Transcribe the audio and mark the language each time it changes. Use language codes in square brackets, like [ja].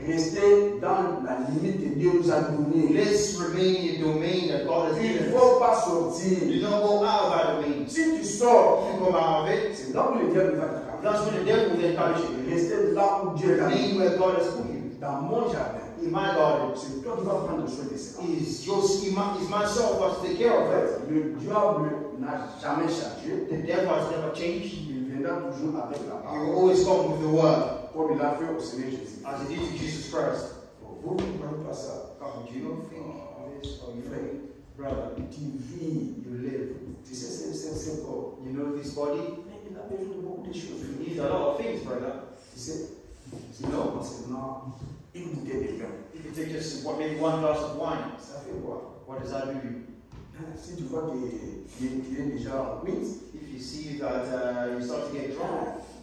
[fr] Restez dans la limite que Dieu nous a donnée. [en] Let's remain in the domain that God has given. [fr] Il faut pas sortir. [en] Do not go out of our domain. [fr] Si tu sors, [en] you come out of it. [fr] C'est là où le diable va t'attraper. [en] That's when the devil will encourage you. [fr] Restez là où Dieu t'a mis. [en] Where God has put you. [fr] Dans mon jardin. [en] In my garden. [fr] C'est toi qui vas prendre soin de ça. [en] Is myself who has to take care of it. [fr] Le diable n'a jamais changé. [en] The devil has never changed. You always come with the word. [fr] Comme il a fait aussi Jésus. [en] As he did to Jesus Christ. [fr] Pour vous, vous ne prenez pas ça. [en] Oh, do you not think this or you think? Brother, [fr] tu vis, [en] you live. [fr] Tu sais, c'est simple. [en] You know this body? [fr] Mais il a besoin de beaucoup de choses. [en] He needs a lot of things, brother. [fr] Tu sais, c'est non. Parce que non, il vous dit des gens. [en] If you take just what, maybe one glass of wine. [fr] Ça fait quoi? [en] What does that do you? [fr] Si tu vois qu'il est déjà en quitte. [en] You see that you start to get drunk.